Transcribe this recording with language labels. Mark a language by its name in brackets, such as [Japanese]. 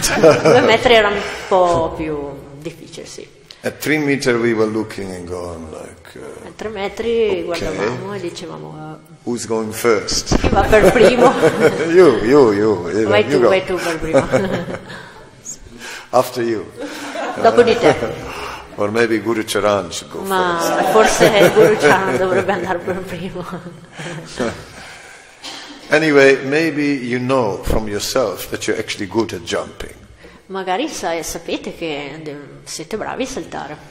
[Italian] 2 metri era un po' più difficile, sì. [English] At 3 meter we were looking and going like. [Italian] A 3 metri guardavamo e dicevamo. [English] Who's going first? [Italian] Chi va per primo? [English] You. [Italian] Vai tu per primo. [English] After you. [Italian] Dopo di te. [English] Or maybe Guru Charan should go [Italian] Ma [English] first. [Italian] Ma forse Guru Charan dovrebbe andare per primo. [English] Anyway, maybe you know from yourself that you're actually good at jumping. [Italian] Magari sapete che siete bravi a saltare.